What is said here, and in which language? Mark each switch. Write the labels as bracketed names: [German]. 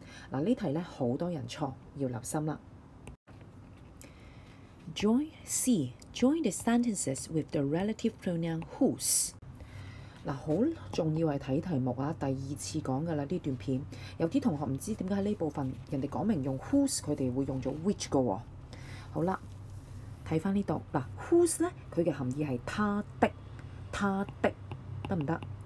[Cantonese] 嗱，呢題咧好多人錯，要留心啦。 [English] Join C. Join the sentences with the relative pronoun whose。 [Cantonese] 嗱，好重要係睇題目啊，第二次講噶啦呢段片。有啲同學唔知點解喺呢部分人哋講明用 whose， 佢哋會用咗 which 噶喎。好啦，睇翻呢度嗱 ，whose 咧佢嘅含義係他的，他的得唔得？